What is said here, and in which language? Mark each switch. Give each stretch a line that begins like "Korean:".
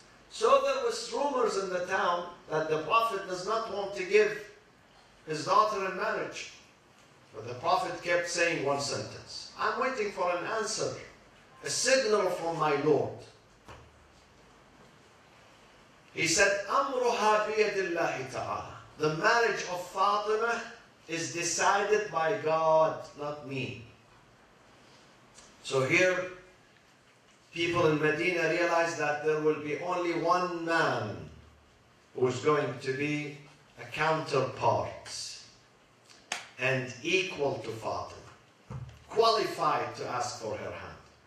English: So there was rumors in the town that the Prophet does not want to give his daughter in marriage. But the Prophet kept saying one sentence. I'm waiting for an answer, a signal from my Lord. He said,
Arabic: أَمْرُهَا بِيَدِ اللَّهِ تَعَالَى.
English: The marriage of Fatima is decided by God, not me. So here, people in Medina realize that there will be only one man who is going to be a counterpart and equal to Fatima, qualified to ask for her hand.